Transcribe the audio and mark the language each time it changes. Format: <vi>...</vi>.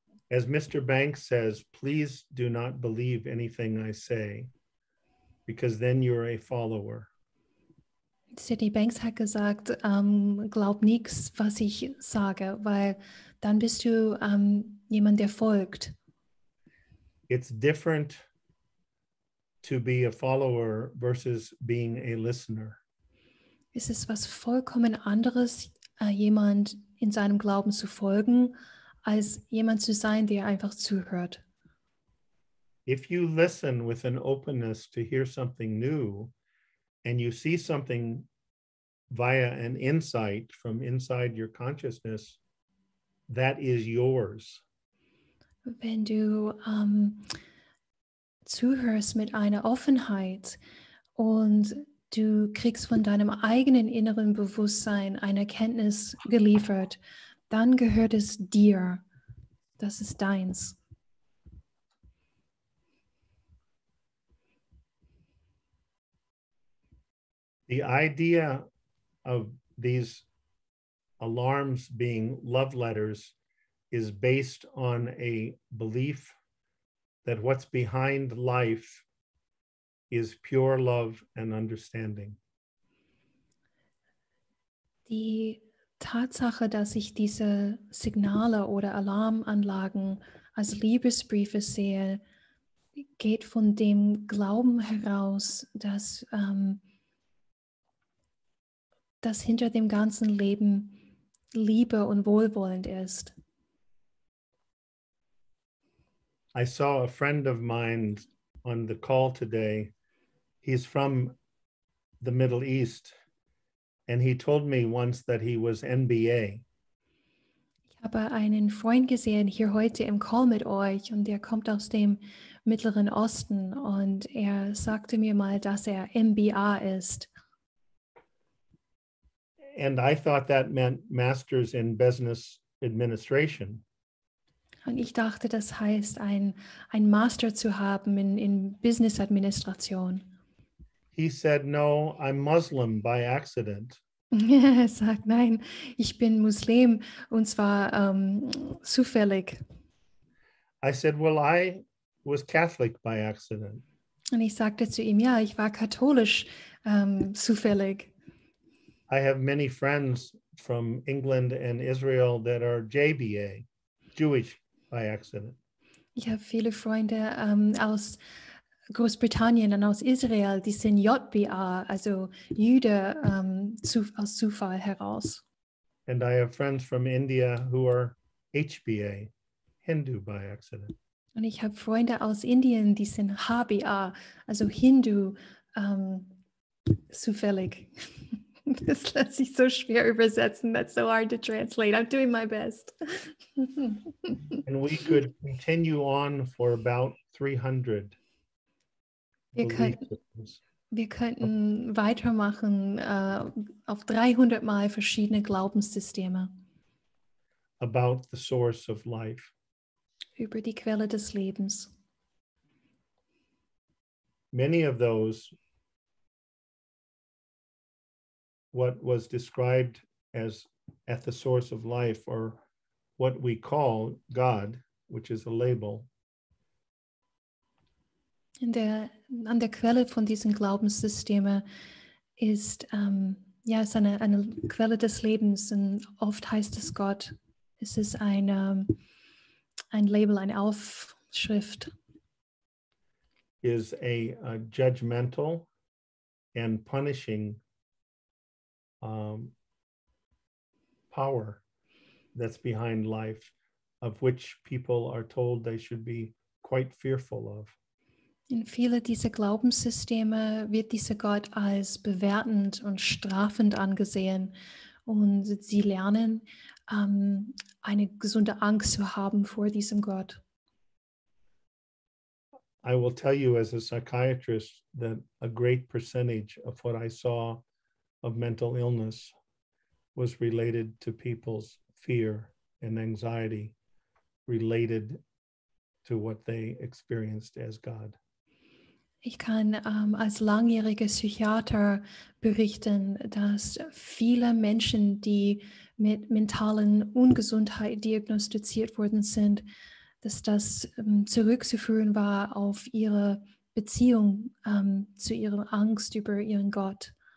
<en>As Mr. Banks says, please do not believe anything I say, because then you're a follower.</en> <de>Sidney Banks hat gesagt, glaub nichts, was ich sage, weil dann bist du jemand, der folgt.</de> <en>It's different to be a follower versus being a listener.</en> <de>Es ist was vollkommen anderes, jemand in seinem Glauben zu folgen, als jemand zu sein, der einfach zuhört.</de> <en>If you listen with an openness to hear something new and you see something via an insight from inside your consciousness, that is yours.</en> <de>Wenn du zuhörst mit einer Offenheit und du kriegst von deinem eigenen inneren Bewusstsein eine Erkenntnis geliefert, dann gehört es dir. Das ist deins.</de> <en>The idea of these alarms being love letters is based on a belief that what's behind life is pure love and understanding.</en> <de>Die Tatsache, dass ich diese Signale oder Alarmanlagen als Liebesbriefe sehe, geht von dem Glauben heraus, dass, dass hinter dem ganzen Leben Liebe und Wohlwollend ist.</de> <en>I saw a friend of mine on the call today. He's from the Middle East. And he told me once that he was NBA.</en> <de>Ich habe einen Freund gesehen hier heute im Call mit euch und der kommt aus dem Mittleren Osten und er sagte mir mal, dass er NBA ist.</de> <en>And I thought that meant Masters in Business Administration.</en> <de>Und ich dachte, das heißt ein Master zu haben in Business Administration.</de> <en>He said, no, I'm Muslim by accident.</en> <de>Er sagt, nein, ich bin Muslim, und zwar zufällig.</de> <en>I said, well, I was Catholic by accident.</en> <de>Und ich sagte zu ihm, ja, ich war katholisch zufällig.</de> <en>I have many friends from England and Israel that are JBA, Jewish by accident.</en> <de>Ich habe viele Freunde aus Großbritannien und aus Israel, die sind JBA, also Jüde, aus Zufall heraus.</de> <en>And I have friends from India who are HBA, Hindu by accident.</en> <de>Und ich habe Freunde aus Indien, die sind HBA, also Hindu, zufällig. Das lässt sich so schwer übersetzen.</de> <en>That's so hard to translate. I'm doing my best. And we could continue on for about 300.</en> <de>Wir könnten weitermachen auf 300 Mal verschiedene Glaubenssysteme.</de> <en>About the source of life.</en> <de>Über die Quelle des Lebens.</de> <en>Many of those, what was described as at the source of life, or what we call God, which is a label.</en> <de>An der Quelle von diesen Glaubenssystemen ist es eine Quelle des Lebens und oft heißt es Gott. Es ist ein Label, eine Aufschrift.</de> <en>Is a judgmental and punishing power that's behind life, of which people are told they should be quite fearful of.</en> <de>In viele dieser Glaubenssysteme wird dieser Gott als bewertend und strafend angesehen und sie lernen, eine gesunde Angst zu haben vor diesem Gott.</de> <en>I will tell you as a psychiatrist that a great percentage of what I saw of mental illness was related to people's fear and anxiety related to what they experienced as God.</en> <de>Ich kann als langjähriger Psychiater berichten, dass viele Menschen, die mit mentalen Ungesundheit diagnostiziert worden sind, dass das zurückzuführen war auf ihre Beziehung zu ihrer Angst über ihren Gott.</de>